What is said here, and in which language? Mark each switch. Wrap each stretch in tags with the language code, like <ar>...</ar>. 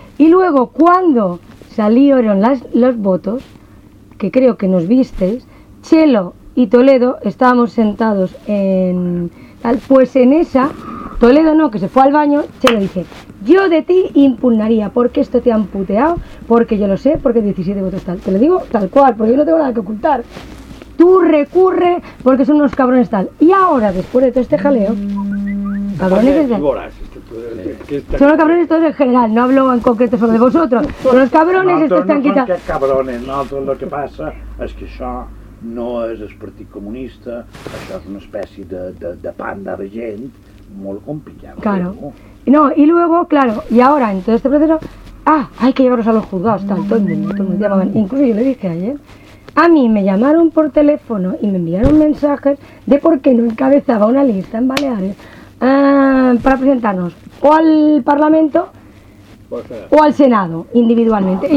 <es>Y luego, cuando salieron los votos, que creo que nos visteis, Chelo y Toledo estábamos sentados en tal, pues en esa, Toledo no, que se fue al baño, Chelo dice, yo de ti impugnaría, porque esto te han puteado, porque yo lo sé, porque 17 votos tal, te lo digo tal cual, porque yo no tengo nada que ocultar, tú recurre porque son unos cabrones tal, y ahora después de todo este jaleo, cabrones, es de... Son los cabrones todos en general, no hablo en concreto solo de vosotros, son los cabrones, no, estos están no quitando. No, son cabrones, no, todo lo que pasa es que</es> <ca>això no és el Partit Comunista, això és una espècie de panda de gent molt complicada.</ca> <es>Claro. No, y luego, claro, y ahora en todo este proceso, hay que llevarlos a los juzgados, tal, todo el mundo llamaban, incluso yo le dije ayer, a mí me llamaron por teléfono y me enviaron mensajes de por qué no encabezaba una lista en Baleares para presentarnos o al Parlamento o al Senado individualmente.</es>